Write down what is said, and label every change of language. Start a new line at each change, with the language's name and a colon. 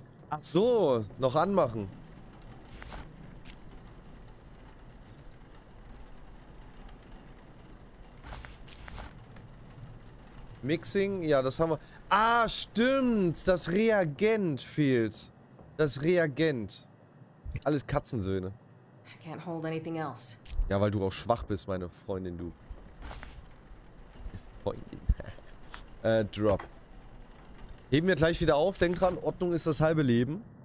German: Ach so, noch anmachen. Mixing, ja, das haben wir... Ah, stimmt, das Reagent fehlt. Das Reagent. Alles Katzensöhne.
English: I can't hold anything else.
German: Ja, weil du auch schwach bist, meine Freundin, du. Freundin. Drop. Heben wir gleich wieder auf. Denk dran, Ordnung ist das halbe Leben.